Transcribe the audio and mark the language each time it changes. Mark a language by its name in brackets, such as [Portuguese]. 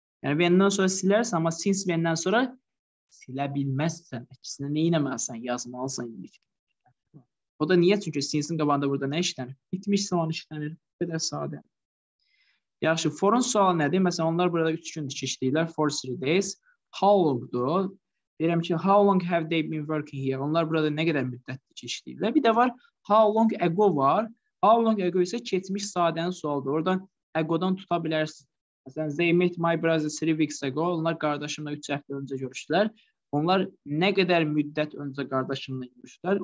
[Azerbaijani] Yəni when-dən sonra silərsən amma since when-dən sonra silə bilməzsən. Əksinə nə edəməlisən? Yazmalısan indiki. O da niyə? Çünki since-in qabağında burada nə işlənir? Bitmiş zaman işlənir. Bu qədər sadə. Yaxşı, for-un sualı nədir? Məsələn onlar burada 3 gündür ki işləyirlər. [English] For 3 days. How long-dur? [Azerbaijani] Deyirəm ki, [English] how long have they been working here? [Azerbaijani] Onlar burada nə qədər müddətdir ki işləyirlər? Bir də var [English] how long ago [Azerbaijani] var. [English] How long ago [Azerbaijani] isə keçmiş saatdən sualdır. Oradan ago-dan tuta bilərsiniz. Məsələn, [English] they met my brother 3 weeks ago. [Azerbaijani] Onlar qardaşımla 3 həftə öncə görüşdülər. Onlar nə qədər müddət öncə qardaşımla görüşdülər?